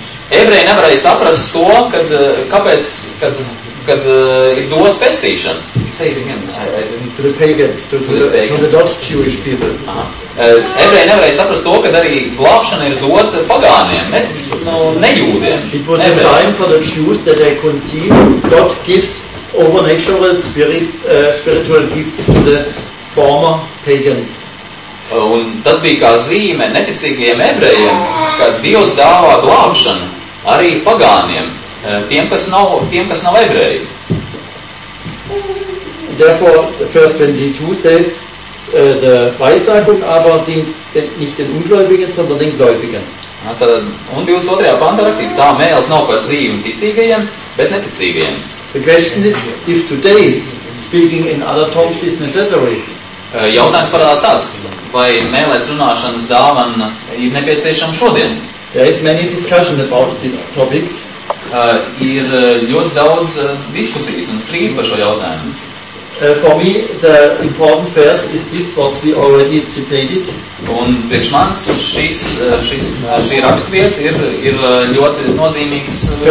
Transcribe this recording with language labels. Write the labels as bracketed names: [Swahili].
[Latvian] Ebreji nevarēja saprast to, kad ir dot pestīšana. [English] Say it again. To the pagans, to the not Jewish people. [Latvian] Ebreji nevarēja saprast to, kad arī glābšana ir dot pagāniem, nejūdiem. [English] It was Ebrei. A sign for the Jews that they couldn't see God gives over natural spiritual gifts to the former pagans. [Latvian] Un tas bija kā zīme neticīgajiem ebrejiem, kad Dievs dāvā glābšanu arī pagāniem. Tiem, kas nav ebreji. [English] Therefore, the first 22 says, the [German] Weissagung aber dient nicht den Ungläubigen, sondern den Gläubigen. [Latvian] Un 22. Panta rakstīts, tā mēles nav par zīmi ticīgajiem, bet neticīgajiem. [English] The question is, if today speaking in other tongues is necessary. [Latvian] Jautājums parādās tāds, vai mēles runāšanas dāvan ir nepieciešama šodien? [English] There is many discussions about these topics. [Latvian] Ir ļoti daudz diskusijas un strīdu par šo jautājumu. [English] For me, the important verse is this, what we already citated. [Latvian] Un priekš manis šī rakstvieta ir ļoti nozīmīgs.